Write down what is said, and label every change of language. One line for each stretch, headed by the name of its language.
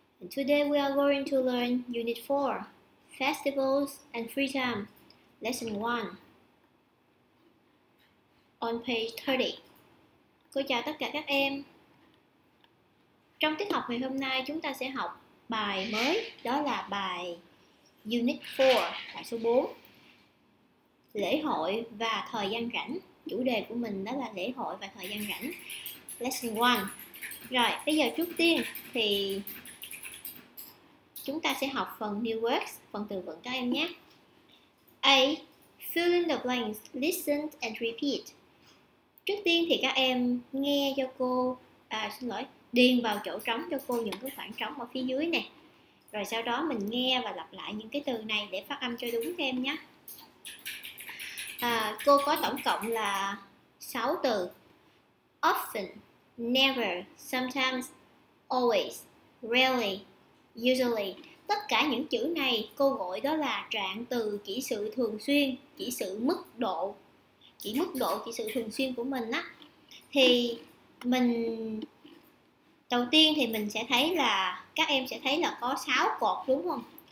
English: Today we are going to learn Unit 4, Festivals and Free Time, Lesson 1, on page 30.
Vietnamese: Cô chào tất cả các em. Trong tiết học ngày hôm nay chúng ta sẽ học bài mới, đó là bài Unit 4, bài số 4, Lễ hội và thời gian rảnh. Chủ đề của mình đó là lễ hội và thời gian rảnh, Lesson 1. Rồi, bây giờ trước tiên thì chúng ta sẽ học phần
English: new words,
Vietnamese: phần từ vựng các em nhé. A.
English: Fill in the blanks, listen and repeat.
Vietnamese: Trước tiên thì các em nghe cho cô, điền vào chỗ trống cho cô những cái khoảng trống ở phía dưới nè. Rồi sau đó mình nghe và lặp lại những cái từ này để phát âm cho đúng các em nhé. Cô có tổng cộng là 6 từ.
English: Often, never, sometimes, always, rarely, usually.
Vietnamese: Tất cả những chữ này cô gọi đó là trạng từ chỉ sự thường xuyên, chỉ sự mức độ, chỉ mức độ, chỉ sự thường xuyên của mình á. Thì mình đầu tiên thì mình sẽ thấy là các em sẽ thấy là có 6 cột đúng không?